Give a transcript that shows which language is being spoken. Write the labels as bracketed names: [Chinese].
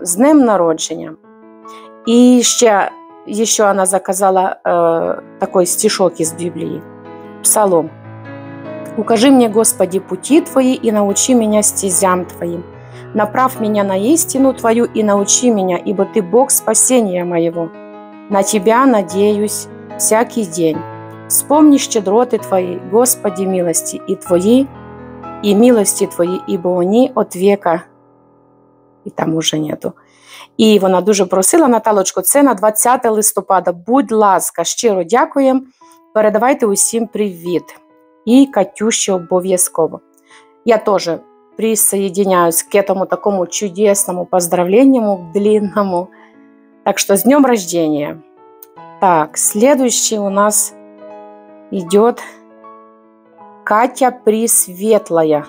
[Ukrainian] З днем народження! І ще вона заказала такий стишок із Біблії. Псалом. «Укажи мені, Господі, путі твої, і научи мене стезям твоїм. Направ мене на істину твою, і научи мене, ібо ти Бог спасіння моєго. [Russian] На Тебя надеюсь всякий день. Вспомни щедроты Твои, Господи, милости и Твои, и милости Твои, ибо они от века, и там уже нету». [Ukrainian] И вона дуже просила, Наталочку, це на 20 листопада. Будь ласка, щиро дякуємо. Передавайте усім привіт. І Катюші обов'язково. [Russian] Я теж присоединяюсь к этому такому чудесному поздравлению длинному. Так что с днем рождения. Так, следующий у нас идет Катя Пресветлая.